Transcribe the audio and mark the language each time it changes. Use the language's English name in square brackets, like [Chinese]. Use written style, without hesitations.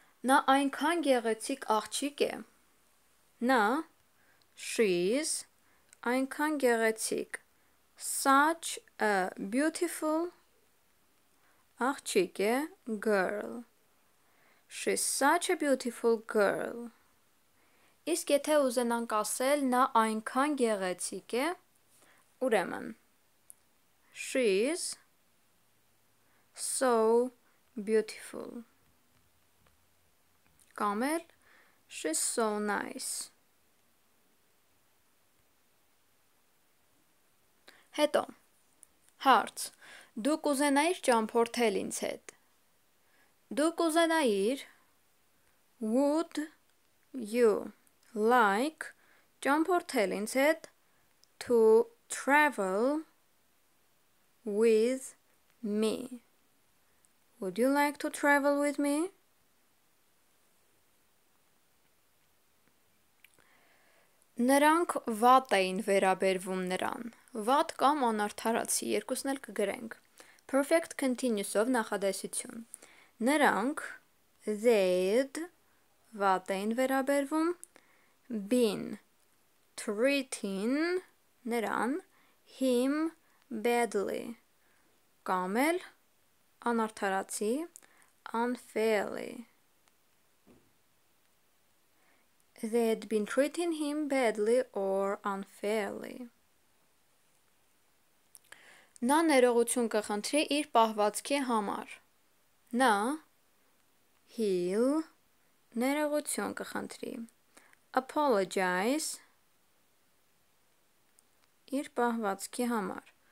[Armenian] Նա այնքան գեղեցիկ աղջիկ է. Նա She's այնքան գեղեցիկ. [English] Such a beautiful [Armenian] աղջիկ է. [English] Girl. She's such a beautiful girl. [Armenian] Իսկ եթե ուզենանք ասել նա այնքան գեղեցիկ է, ուրեմն [English] She's so beautiful. [Armenian] Կամ էլ [English] She's so nice. [Armenian] Հետո, հարց, դու կուզենայիր ճամփորդել ինձ հետ։ Դու կուզենայիր, [English] would you like [Armenian] ճամփորդել ինձ հետ, [English] to travel with me. Would you like to travel with me? [Armenian] Նրանք վատ էին վերաբերվում նրան։ Վատ կամ անարդարացի, երկուսն էլ կգրենք։ Perfect continuous-ով նախադասություն։ Նրանք, they'd, վատ էին վերաբերվում, [English] been treating [Armenian] նրան, [English] him badly, [Armenian] կամ էլ անարդարացի, unfairly. [English] They'd been treating him badly or unfairly. [Armenian] Նա ներողություն կխնդրի իր պահվածքի համար։ Նա he'll ներողություն կխնդրի. Apologize իր պահվածքի համար.